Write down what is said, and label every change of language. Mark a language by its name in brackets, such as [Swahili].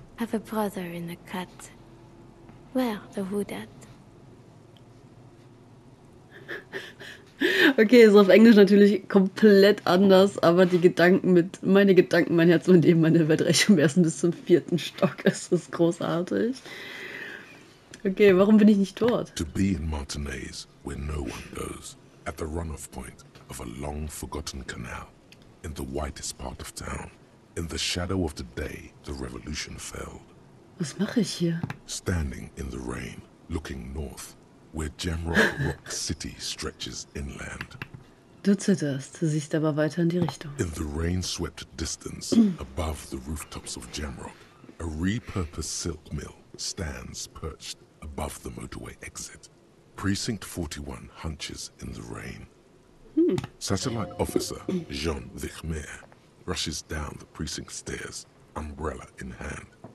[English] Have a brother in the cut. Where the wood at? [German] Okay, ist auf Englisch natürlich komplett anders, aber die Gedanken mit, meine Gedanken, mein Herz, mein Leben, meine Welt reichen im ersten bis zum vierten Stock. Es ist großartig. Okay, warum bin ich nicht dort? [English] To be in Martinez, where no one goes, at the runoff point of a long forgotten canal, in the whitest part of town, in the shadow of the day the revolution failed. [German] Was mache ich hier? [English] Standing in the rain, looking north. Where Jamrock Rock City stretches inland. [German] Du zitterst, siehst aber weiter in die Richtung. [English] In the rain-swept distance, above the rooftops of Jamrock, a repurposed silk mill stands perched above the motorway exit. Precinct 41 hunches in the rain. Satellite officer Jean Vichmer rushes down the precinct stairs, umbrella in hand.